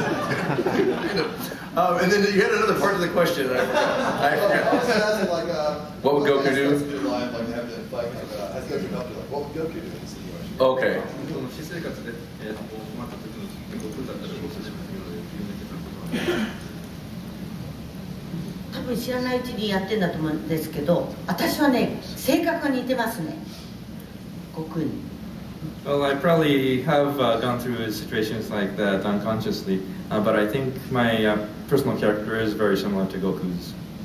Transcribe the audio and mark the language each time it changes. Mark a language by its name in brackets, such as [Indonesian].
[English] And then you had another part of the question. I was asking, what would Goku do? Like, has Goku helped you? Like, what would Goku do in the situation? [Japanese] Okay. 多分知らないうちにやってんだと思うんですけど、私はね、性格が似てますね。悟空に。 [English] Well, I probably have gone through situations like that unconsciously, but I think my personal character is very similar to Goku's.